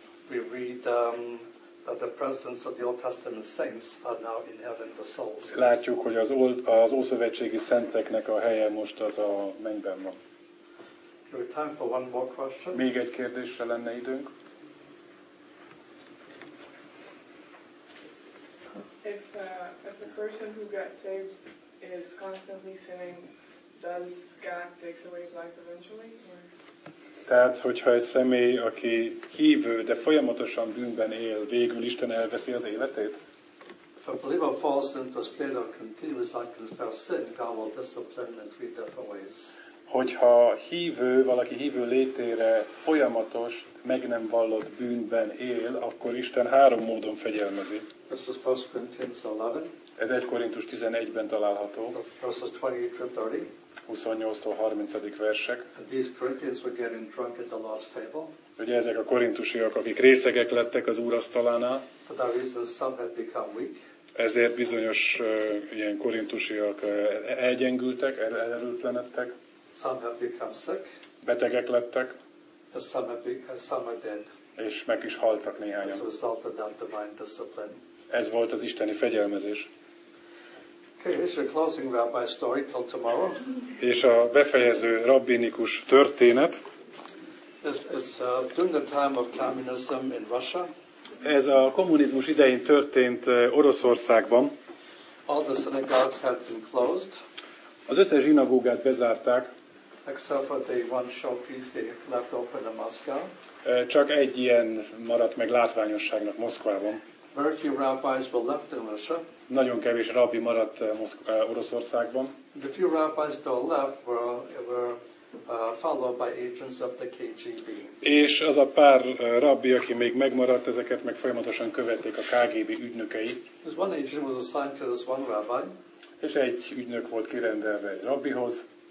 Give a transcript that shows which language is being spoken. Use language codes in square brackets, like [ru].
[en] we read that the presence of the Old Testament saints are now in heaven, the souls. [hu] Látjuk, hogy az ószövetségi szenteknek a helye most az a mennyben van. [en] We have time for one more question. [hu] Még egy kérdésre lenne időnk. [en] If the person who got saved is constantly sinning, does God take away his life eventually? [hu] Tehát, hogyha egy személy, aki hívő, de folyamatosan bűnben él, végül Isten elveszi az életét? [en] If a believer falls into a state of continuous unconfessed sin, God will discipline in three different ways. [hu] Hogyha hívő, valaki hívő létére folyamatos, meg nem vallott bűnben él, akkor Isten három módon fegyelmezi. [en] This is 1 Corinthians 11. [hu] Ez 1 Korintus 11-ben található. [en] Verses 28-30. [hu] 28-tól 30. versek. [en] These Corinthians were getting drunk at the Lord's table. [hu] Ugye ezek a korintusiak, akik részegek lettek az Úr asztalánál. [en] For that reason some had become weak. [hu] Ezért bizonyos ilyen korintusiak elgyengültek, elerőtlenedtek. [en] Some have become sick. [hu] Betegek lettek. [en] Some are dead. [hu] És meg is haltak néhányan. [en] As a result of that divine discipline. [hu] Ez volt az isteni fegyelmezés. [en] Okay, here's your closing rabbi story till tomorrow. [hu] És a befejező rabbinikus történet. [en] It's during the time of communism in Russia. [hu] Ez a kommunizmus idején történt Oroszországban. [en] All the synagogues had been closed. [hu] Az összes zsinagógát bezárták. [en] Except for the one showpiece they left open in Moscow. [hu] Csak egy ilyen maradt meg látványosságnak Moszkvában. [en] Very few rabbis were left in Russia. [hu] Nagyon kevés rabbi maradt Oroszországban. [en] The few rabbis that were left were followed by agents of the KGB. [hu] És az a pár rabbi, aki még megmaradt, ezeket meg folyamatosan követték a KGB ügynökei. [en] This one agent was assigned to this one rabbi. [hu] És egy ügynök volt kirendelve egy rabbihoz.